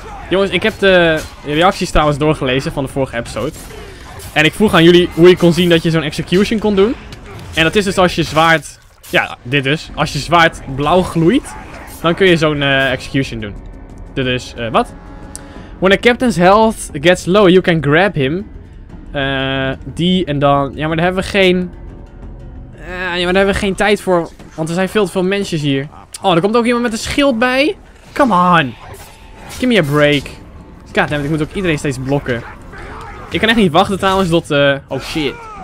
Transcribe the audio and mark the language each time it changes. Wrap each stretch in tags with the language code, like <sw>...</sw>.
<nl>Jongens, ik heb de reacties trouwens doorgelezen van de vorige episode. En ik vroeg aan jullie hoe je kon zien dat je zo'n execution kon doen. En dat is dus als je zwaard... Ja, dit dus. Als je zwaard blauw gloeit, dan kun je zo'n execution doen. Dit is... wat?</nl> <en>When a captain's health gets low, you can grab him.</en> <nl>Die en dan... Ja, maar daar hebben we geen... daar hebben we geen tijd voor. Want er zijn veel te veel mensen hier. Oh, er komt ook iemand met een schild bij.</nl> <en>Come on. Give me a break.</en> <nl>Goddammit, ik moet ook iedereen steeds blokken. Ik kan echt niet wachten trouwens tot...</nl> <en>oh shit.</en>